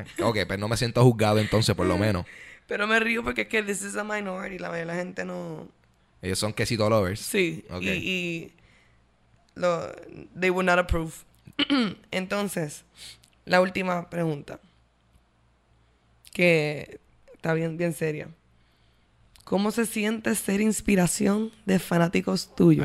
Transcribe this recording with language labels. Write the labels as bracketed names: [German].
[Spanish] Ok, pues no me siento juzgado entonces, por lo menos. Pero me río porque es que [English] this is a minority. [Spanish] La mayoría de la gente no... Ellos son quesito lovers. Sí. Okay. [English] Y lo, they would not approve. [Spanish] Entonces, la última pregunta. Que está bien, bien seria. ¿Cómo se siente ser inspiración de fanáticos tuyos?